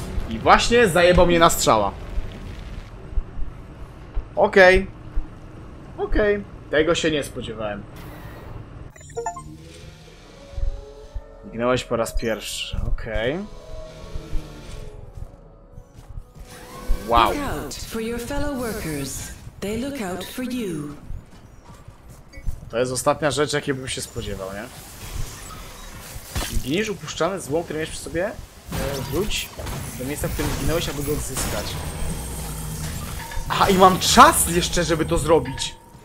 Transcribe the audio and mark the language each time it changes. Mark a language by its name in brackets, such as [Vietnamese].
[Polish] I właśnie zajebał mnie na strzała. Okej. Okej. Tego się nie spodziewałem. Zginąłeś po raz pierwszy. Okej. Wow. [English] Look out for your fellow workers. They look out for you. [Polish] To jest ostatnia rzecz, jakiej bym się spodziewał, nie? Gniesz upuszczany złą, który miałeś przy sobie? Wróć do miejsca, w którym zginąłeś, aby go odzyskać. A i mam czas jeszcze, żeby to zrobić.